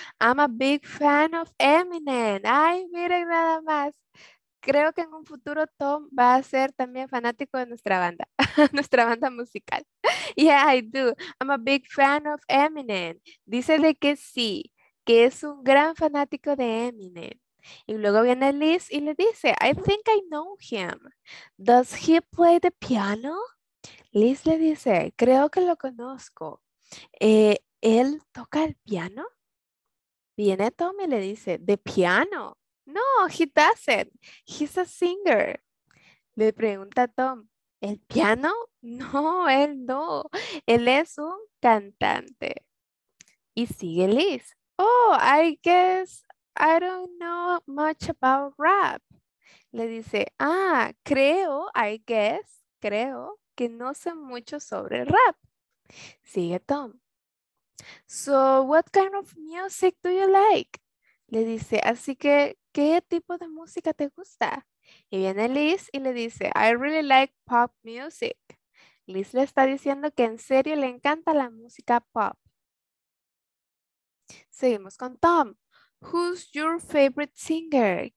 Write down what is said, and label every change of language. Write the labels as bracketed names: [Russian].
[English] I'm a big fan of Eminem. [Spanish] Ay, miren nada más. Creo que en un futuro Tom va a ser también fanático de nuestra banda musical. [English] Yeah, I do. I'm a big fan of Eminem. [Spanish] Dice de que sí, que es un gran fanático de Eminem. Y luego viene Liz y le dice, [English] I think I know him. Does he play the piano? [Spanish] Liz le dice, creo que lo conozco. ¿Él toca el piano? Viene Tom y le dice, [English] ¿the piano? No, he doesn't. He's a singer. [Spanish] Le pregunta Tom, ¿el piano? No, él no. Él es un cantante. Y sigue Liz. [English] Oh, I guess I don't know much about rap. [Spanish] Le dice, ah, creo, [English] I guess, [Spanish] creo que no sé mucho sobre rap. Sigue Tom. [English] So, what kind of music do you like? [Spanish] Le dice, así que, ¿qué tipo de música te gusta? Y viene Liz y le dice, [English] I really like pop music. [Spanish] Liz le está diciendo que en serio le encanta la música pop. Seguimos con Tom. [English] Who's your favorite singer?